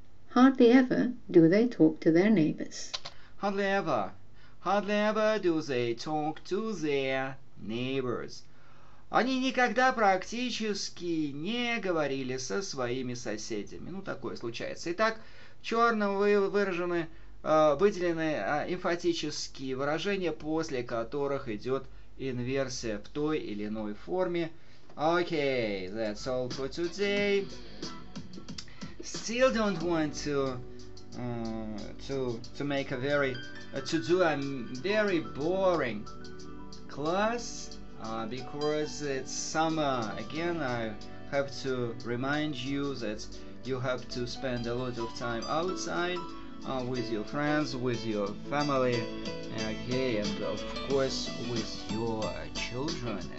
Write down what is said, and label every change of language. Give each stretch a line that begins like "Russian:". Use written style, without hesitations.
English: Hardly ever do they talk to their neighbors. Hardly ever. Hardly ever do they talk to their neighbors.
Russian: Они никогда практически не говорили со своими соседями. Ну, такое случается. Итак, в черном выражены, выделены эмфатические выражения, после которых идет инверсия в той или иной форме.
English: Окей, that's all for today. Still don't want to do a very boring class. Because it's summer, again, I have to remind you that you have to spend a lot of time outside with your friends, with your family, okay, and of course with your children.